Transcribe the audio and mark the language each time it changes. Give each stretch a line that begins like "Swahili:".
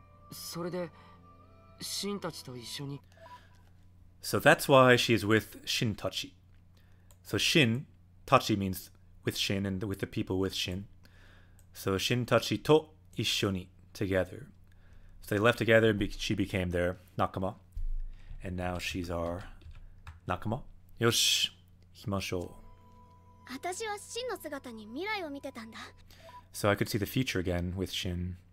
Japanese: それで、シンたちと一緒に。
English: So that's why she is with Shin Tachi. So Shin Tachi means with Shin and with the people with Shin. So Shin Tachi to 一緒に together. So they left together and she became their Nakama. And now she's our Nakama.
Japanese: よし、行きましょう。私はシンの姿に未来を見てたんだ。
English: So I could see the future again with Shin.